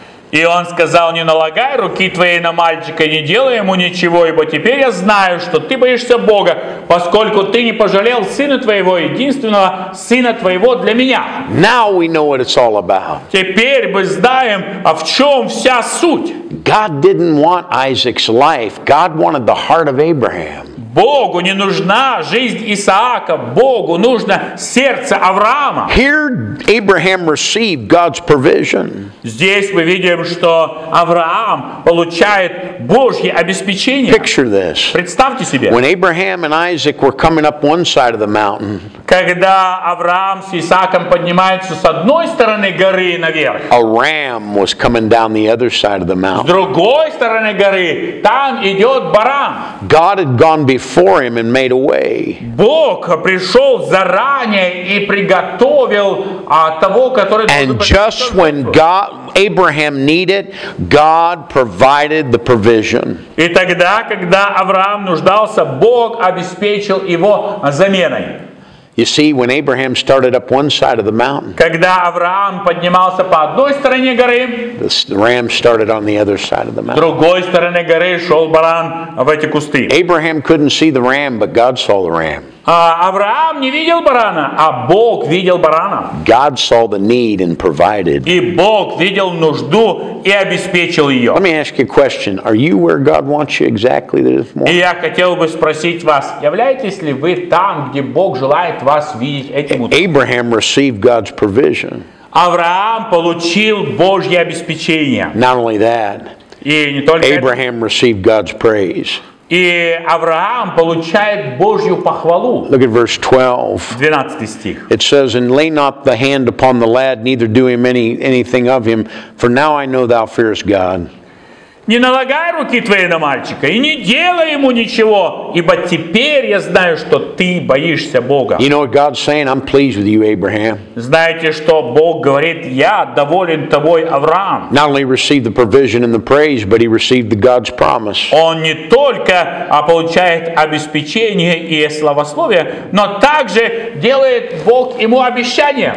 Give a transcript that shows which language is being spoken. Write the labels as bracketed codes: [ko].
[ru] И он сказал: Не налагай руки твои на мальчика, не делай ему ничего, ибо теперь я знаю, что ты боишься Бога, поскольку ты не пожалел сына твоего, единственного сына твоего для меня. [en] Now we know what it's all about. [ru] Теперь мы знаем, а в чем вся суть. [en] God didn't want Isaac's life. God wanted the heart of Abraham. [ru] Богу не нужна жизнь Исаака, Богу нужно сердце Авраама. [en] Here Abraham received God's provision. [ru] Здесь мы видим, что Авраам получает Божье обеспечение. [en] Picture this. [ru] Представьте себе. [en] When Abraham and Isaac were coming up one side of the mountain, [ru] когда Авраам с Исааком поднимаются с одной стороны горы наверх, [en] a ram was coming down the other side of the mountain. [ru] С другой стороны горы там идет баран. [en] God had gone before him and made a way. [ru] Бог пришел заранее и приготовил того, который. [en] And just when God, Abraham needed, God provided the provision. [ru] И тогда, когда Авраам нуждался, Бог обеспечил его заменой. [en] You see, when Abraham started up one side of the mountain, [ru] когда Авраам поднимался по одной стороне горы, [en] the ram started on the other side of the mountain. [ru] С другой стороны горы шел баран в эти кусты. [en] Abraham couldn't see the ram, but God saw the ram. [ru] Авраам не видел барана, а Бог видел барана. [en] God saw the need and provided. [ru] И Бог видел нужду и обеспечил ее. [en] Let me ask you a question: Are you where God wants you exactly this morning? [ru] И я хотел бы спросить вас: являетесь ли вы там, где Бог желает вас видеть этим утром? [en] Abraham received God's provision. [ru] Авраам получил Божье обеспечение. [en] Not only that. [ru] И не только. [en] Abraham received God's praise. [ru] И Авраам получает Божью похвалу. [en] Look at verse 12. [ru] 12 стих. [en] It says, and lay not the hand upon the lad, neither do him anything of him, for now I know thou fearest God. [ru] Не налагай руки твои на мальчика и не делай ему ничего, ибо теперь я знаю, что ты боишься Бога. [en] You know what God's saying? I'm pleased with you, Abraham. [ru] Знаете, что Бог говорит? Я доволен тобой, Авраам. [en] Not only received the provision and the praise, but he received the God's promise. [ru] Он не только получает обеспечение и славословие, но также делает Бог ему обещание.